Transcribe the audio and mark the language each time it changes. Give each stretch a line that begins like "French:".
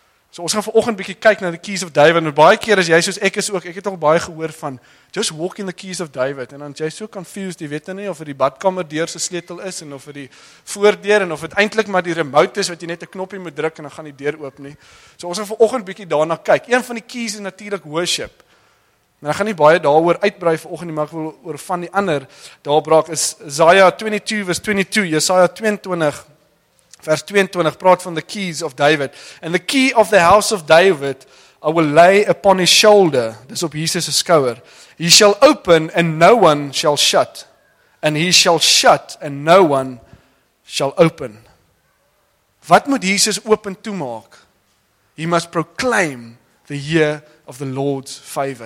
Afrikaans: So ons gaan vanoggend bietjie kyk na
English: the keys of David,
Afrikaans: en baie keer as jy soos ek is ook, ek het al baie gehoor van,
English: just walk in the keys of David,
Afrikaans: en dan jy so confused, jy weet nie of het die badkamer deur se sleutel is, en of het die voordeur, en of het eintlik maar die remote is, wat jy net 'n knoppie moet druk, en dan gaan die deur oop nie. So ons gaan vanoggend bietjie daarna kyk. Een van die keys is natuurlik worship. En dan gaan nie baie daaroor uitbrei vanoggend, maar ek wil oor van die ander, daar braak is Isaiah 22 vers 22, Jesaja 22 Vers 22 praat van
English: the keys of David. And the key of the house of David I will lay upon his shoulder.
Afrikaans: Dis op Jesus' skouer.
English: He shall open and no one shall shut. And he shall shut and no one shall open.
Afrikaans: Wat moet Jesus open toemaak?
English: He must proclaim the year of the Lord's favor.